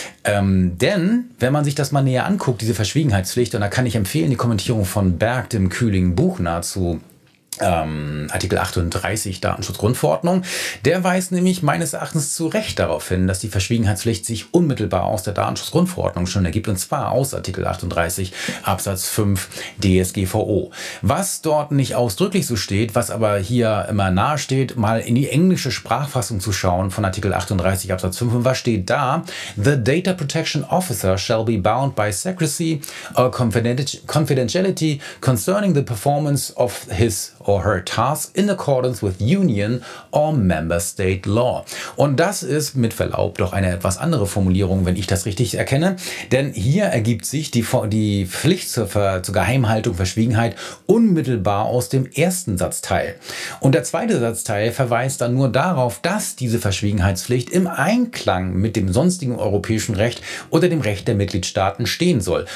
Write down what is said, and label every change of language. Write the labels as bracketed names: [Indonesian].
[German] Denn, wenn man sich das mal näher anguckt, diese Verschwiegenheitspflicht, und da kann ich empfehlen, die Kommentierung von Berg, dem kühligen Buch nahezu, Artikel 38 Datenschutzgrundverordnung, der weist nämlich meines Erachtens zu Recht darauf hin, dass die Verschwiegenheitspflicht sich unmittelbar aus der Datenschutzgrundverordnung schon ergibt, und zwar aus Artikel 38 Absatz 5 DSGVO. Was dort nicht ausdrücklich so steht, was aber hier immer nahe steht, mal in die englische Sprachfassung zu schauen von Artikel 38 Absatz 5, und was steht da? [English] The Data Protection Officer shall be bound by secrecy or confidentiality concerning the performance of his or her task in accordance with Union or Member State Law. [German] Und das ist mit Verlaub doch eine etwas andere Formulierung, wenn ich das richtig erkenne. Denn hier ergibt sich die Pflicht zur Geheimhaltung, Verschwiegenheit unmittelbar aus dem ersten Satzteil. Und der zweite Satzteil verweist dann nur darauf, dass diese Verschwiegenheitspflicht im Einklang mit dem sonstigen europäischen Recht oder dem Recht der Mitgliedstaaten stehen soll.